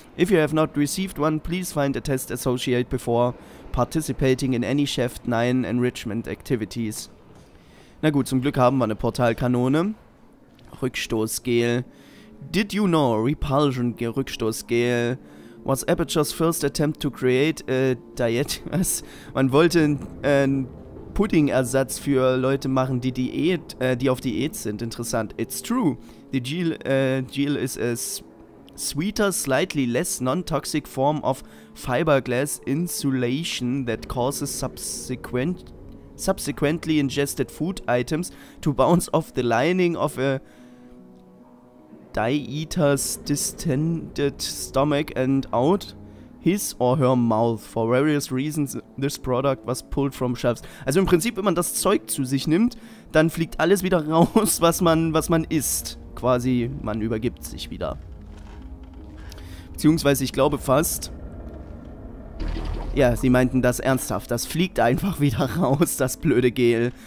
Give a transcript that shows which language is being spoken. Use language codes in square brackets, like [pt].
[en] If you have not received one, please find a test associate before participating in any Shaft 9 enrichment activities. [de] Na gut, zum Glück haben wir eine Portalkanone. Rückstoßgel. [en] Did you know Repulsion Rückstoßgel was Aperture's first attempt to create a diet? [de] Was? Man wollte ein Pudding-Ersatz für Leute machen, die auf Diät sind. Interessant. [en] It's true. The gel is a sweeter, slightly less non-toxic form of fiberglass insulation that causes subsequently ingested food items to bounce off the lining of a dieter's distended stomach and out his or her mouth. For various reasons, this product was pulled from shelves. [de] Also im Prinzip, wenn man das Zeug zu sich nimmt, dann fliegt alles wieder raus, was man isst. Quasi, man übergibt sich wieder. Beziehungsweise, ich glaube fast... Ja, sie meinten das ernsthaft. Das fliegt einfach wieder raus, das blöde Gel.